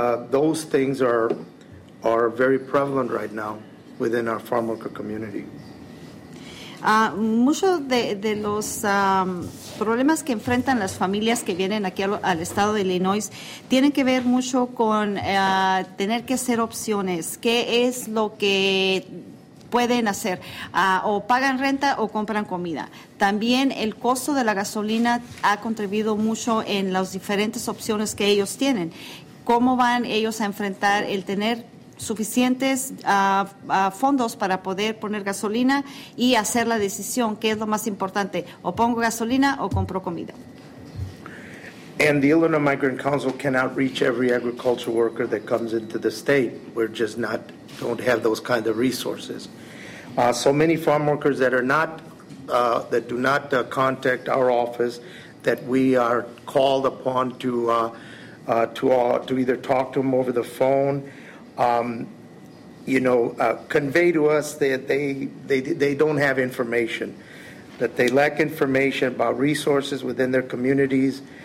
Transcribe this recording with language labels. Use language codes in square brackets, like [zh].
[en] Those things are very prevalent right now within our farm worker community. [es] Muchos de los problemas que enfrentan las familias que vienen aquí al estado de Illinois tienen que ver mucho con tener que hacer opciones. ¿Qué es lo que pueden hacer? O pagan renta o compran comida. También el costo de la gasolina ha contribuido mucho en las diferentes opciones que ellos tienen. ¿Cómo van ellos a enfrentar el tener suficientes fondos para poder poner gasolina y hacer la decisión qué es lo más importante, o pongo gasolina o compro comida. [en] And the Illinois Migrant Council cannot reach every agriculture worker that comes into the state. We're just not, don't have those kind of resources. So many farm workers that are not, that do not contact our office, that we are called upon to either talk to them over the phone, convey to us that they don't have information, that they lack information about resources within their communities.